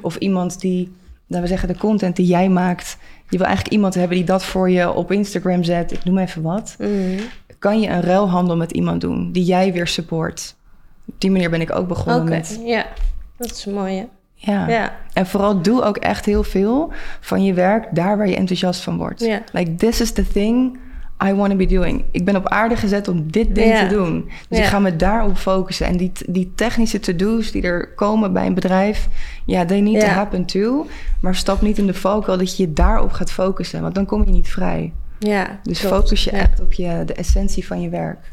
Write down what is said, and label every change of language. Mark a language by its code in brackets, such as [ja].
[nl] Of iemand die, laten we zeggen, de content die jij maakt. Je wil eigenlijk iemand hebben die dat voor je op Instagram zet. Ik noem even wat. Mm-hmm. Kan je een ruilhandel met iemand doen die jij weer support? Op die manier ben ik ook begonnen met. Ja, dat is mooi, hè? Ja. Ja, en vooral doe ook echt heel veel van je werk daar waar je enthousiast van wordt. [en] Yeah. Like, this is the thing I want to be doing. [nl] Ik ben op aarde gezet om dit ding te doen. Dus ik ga me daarop focussen. En die technische to-do's die er komen bij een bedrijf, ja, [en] they need to happen too. [nl] Maar stap niet in de valkuil dat je je daarop gaat focussen, want dan kom je niet vrij. Ja, dus focus je echt op de essentie van je werk.